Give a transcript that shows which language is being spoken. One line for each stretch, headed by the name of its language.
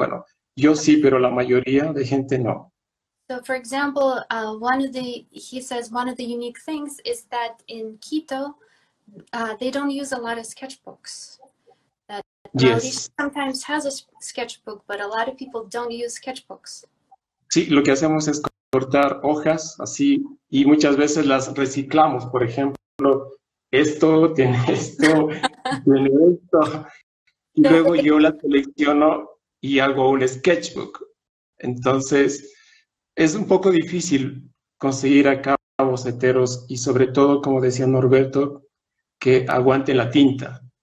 Spanish: Bueno, yo sí, pero la mayoría de gente no.
English: So, for example, he says one of the unique things is that in Quito, they don't use a lot of sketchbooks. That Mauricio Yes. sometimes has a sketchbook, but a lot of people don't use sketchbooks.
Spanish: Sí, lo que hacemos es cortar hojas así y muchas veces las reciclamos. Por ejemplo, esto tiene esto, tiene esto. Y luego yo las colecciono y hago un sketchbook. Entonces, es un poco difícil conseguir acá boceteros y sobre todo, como decía Norberto, que aguante la tinta.